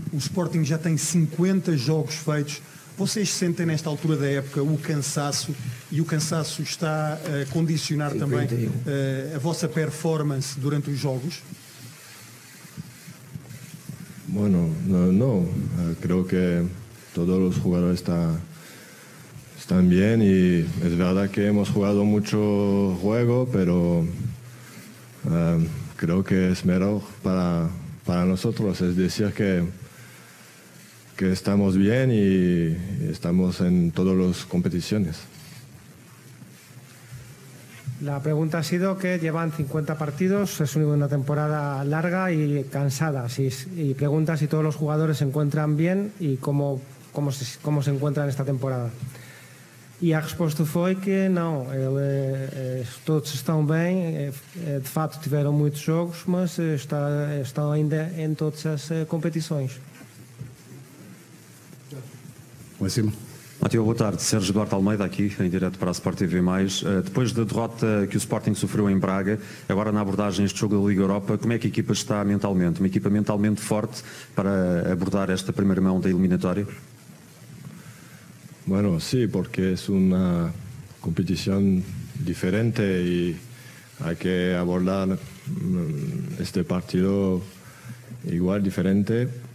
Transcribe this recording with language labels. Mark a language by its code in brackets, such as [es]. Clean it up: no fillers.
[pt] O Sporting já tem 50 jogos feitos. Vocês sentem nesta altura da época o cansaço e o cansaço está a condicionar também a vossa performance durante os jogos? [es] Bueno, no. Creo que todos os jugadores están bien y es verdad que hemos jugado mucho juego, pero creo que es mejor para nosotros, es decir que estamos bien y estamos en todas las competiciones. La pregunta ha sido que llevan 50 partidos, es una temporada larga y cansada. Y pregunta si todos los jugadores se encuentran bien y cómo se encuentran esta temporada. [pt] E a resposta foi que não, todos estão bem, de facto tiveram muitos jogos, mas estão ainda em todas as competições. Lá em cima. Mateo, boa tarde. Sérgio Duarte Almeida aqui, em direto para a Sport TV+. Depois da derrota que o Sporting sofreu em Braga, agora na abordagem deste jogo da Liga Europa, como é que a equipa está mentalmente? Uma equipa mentalmente forte para abordar esta primeira mão da eliminatória? [es] Bueno, sí, porque es una competición diferente y hay que abordar este partido igual, diferente.